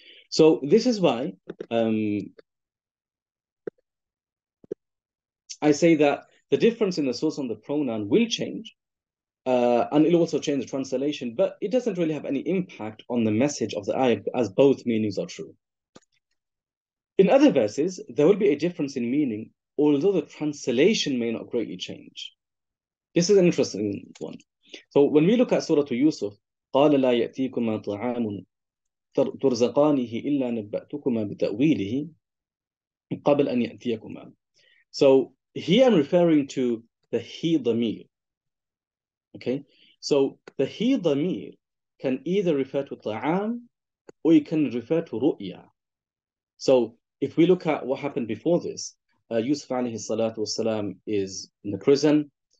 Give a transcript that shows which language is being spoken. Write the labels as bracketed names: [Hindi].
[English] So this is why I say that the difference in the source and the pronoun will change, and it'll also change the translation, but it doesn't really have any impact on the message of the ayah, as both meanings are true. In other verses, there will be a difference in meaning, although the translation may not greatly change. This is an interesting one. So when we look at Surah Yusuf, [Arabic] قَالَ لَا يَأْتِيكُمَا طَعَامٌ تُرْزَقَانِهِ إِلَّا نَبَّأْتُكُمَا بِتَأْوِيلِهِ قَبْلَ أَنْ يَأْتِيَكُمَا. [English] So here I'm referring to the he dhamir. Okay, so the he dhamir can either refer to ta'am or it can refer to ru'ya. So if we look at what happened before this, Yusuf alayhi salatu wasalam is in the prison.